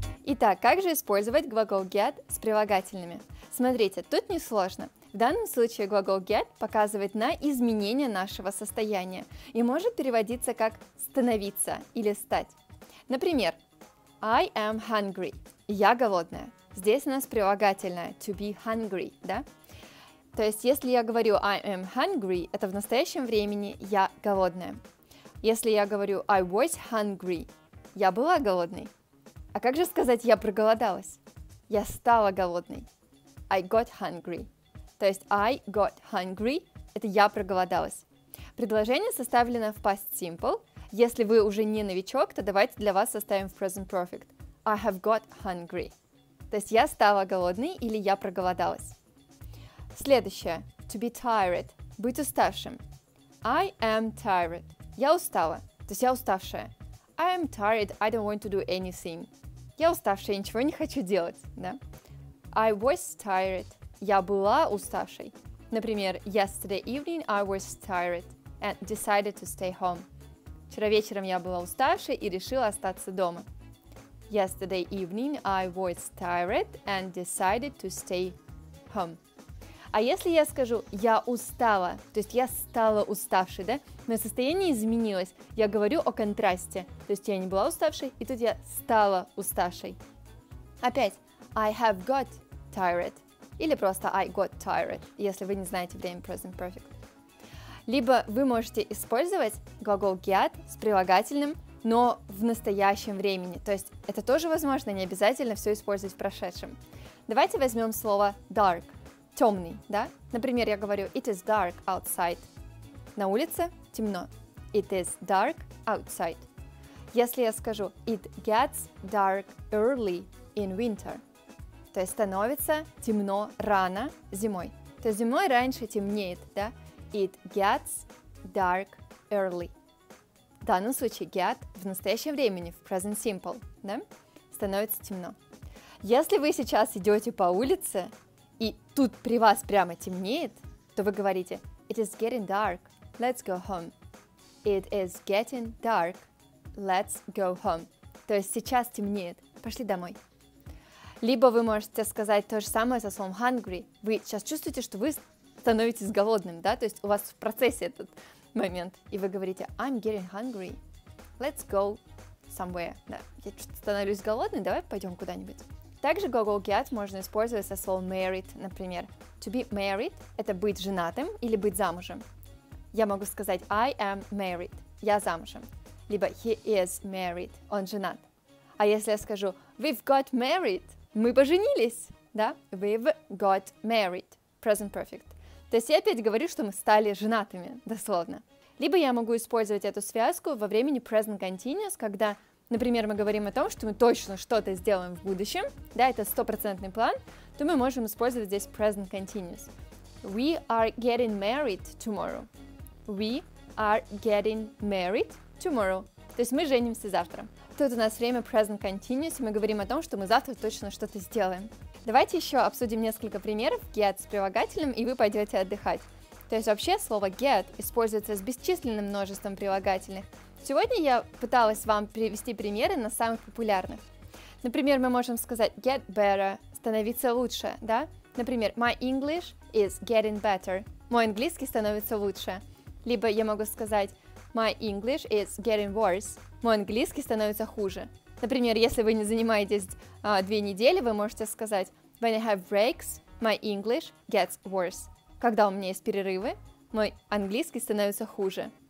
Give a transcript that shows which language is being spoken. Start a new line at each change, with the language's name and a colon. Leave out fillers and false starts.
Russian: Итак, как же использовать глагол get с прилагательными? Смотрите, тут несложно. В данном случае глагол get показывает на изменение нашего состояния и может переводиться как становиться или стать.
English: Например, I am hungry.
Russian: Я голодная. Здесь у нас прилагательное to be hungry, да? То есть, если я говорю
English: I am hungry,
Russian: это в настоящем времени я голодная. Если я говорю
English: I was hungry,
Russian: я была голодной. А как же сказать я проголодалась? Я стала голодной.
English: I got hungry.
Russian: То есть
English: I got hungry,
Russian: это я проголодалась. Предложение составлено в past simple. Если вы уже не новичок, то давайте для вас составим в present perfect.
English: I have got hungry.
Russian: То есть я стала голодной или я проголодалась.
English: Следующее. To be tired.
Russian: Быть уставшим.
English: I am tired.
Russian: Я устала. То есть я уставшая.
English: I am tired. I don't want to do anything.
Russian: Я уставшая, я ничего не хочу делать. Да?
English: I was tired.
Russian: Я была уставшей. Например,
English: yesterday evening I was tired and decided to stay home.
Russian: Вчера вечером я была уставшей и решила остаться дома.
English: Yesterday evening I was tired and decided to stay home.
Russian: А если я скажу «я устала», то есть я стала уставшей, да? Мое состояние изменилось, я говорю о контрасте. То есть я не была уставшей, и тут я стала уставшей. Опять
English: «I have got tired»
Russian: или просто
English: «I got tired»,
Russian: если вы не знаете время present perfect. Либо вы можете использовать глагол get с прилагательным, но в настоящем времени. То есть это тоже возможно, не обязательно все использовать в прошедшем. Давайте возьмем слово dark, темный, да? Например, я говорю
English: it is dark outside.
Russian: На улице темно.
English: It is dark outside.
Russian: Если я скажу
English: it gets dark early in winter,
Russian: то есть становится темно рано зимой. То есть зимой раньше темнеет, да?
English: It gets dark early.
Russian: В данном случае get в настоящем времени, в present simple, да? Становится темно. Если вы сейчас идете по улице, и тут при вас прямо темнеет, то вы говорите
English: It is getting dark, let's go home. It is getting dark, let's go home.
Russian: То есть сейчас темнеет, пошли домой. Либо вы можете сказать то же самое со словом hungry. Вы сейчас чувствуете, что вы становитесь голодным, да, то есть у вас в процессе этот момент, и вы говорите
English: I'm getting hungry, let's go somewhere,
Russian: да, я что-то становлюсь голодным, давай пойдем куда-нибудь. Также глагол get можно использовать со словом married, например, to be married, это быть женатым или быть замужем. Я могу сказать
English: I am married,
Russian: я замужем, либо
English: he is married,
Russian: он женат. А если я скажу
English: we've got married,
Russian: мы поженились, да, we've got married, present perfect. То есть я опять говорю, что мы стали женатыми, дословно. Либо я могу использовать эту связку во времени present continuous, когда, например, мы говорим о том, что мы точно что-то сделаем в будущем, да, это стопроцентный план, то мы можем использовать здесь present continuous.
English: We are getting married tomorrow. We are getting married tomorrow.
Russian: То есть мы женимся завтра. Тут у нас время present continuous, и мы говорим о том, что мы завтра точно что-то сделаем. Давайте еще обсудим несколько примеров get с прилагательным, и вы пойдете отдыхать. То есть вообще слово get используется с бесчисленным множеством прилагательных. Сегодня я пыталась вам привести примеры на самых популярных. Например, мы можем сказать get better, становиться лучше, да? Например,
English: my English is getting better.
Russian: Мой английский становится лучше. Либо я могу сказать
English: my English is getting worse.
Russian: Мой английский становится хуже. Например, если вы не занимаетесь две недели, вы можете сказать
English: when I have breaks, my English gets worse.
Russian: Когда у меня есть перерывы, мой английский становится хуже.